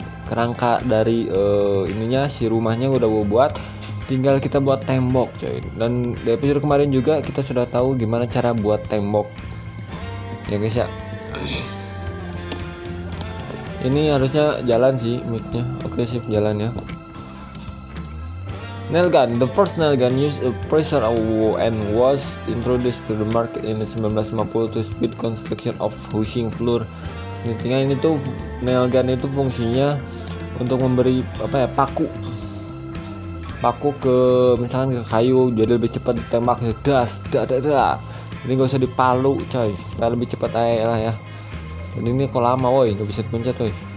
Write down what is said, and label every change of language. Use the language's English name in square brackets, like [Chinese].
[Indonesian] Kerangka dari ininya si rumahnya udah gua buat. Tinggal kita buat tembok coy. Dan di episode kemarin juga kita sudah tahu gimana cara buat tembok. Ya guys ya. Ini harusnya jalan sih mic-nya. Oke, sip, jalan ya. [English] Nail gun, the first nail gun used a pressure and was introduced to the market in 1950 to speed construction of housing floor. [Indonesian] Sebenarnya ini tuh nail gun itu fungsinya untuk memberi apa ya, paku ke misalkan ke kayu jadi lebih cepat ditembak das das. Ini enggak usah dipalu coy, supaya lebih cepat aja lah ya. Dan ini kok lama woi, enggak bisa dipencet woi.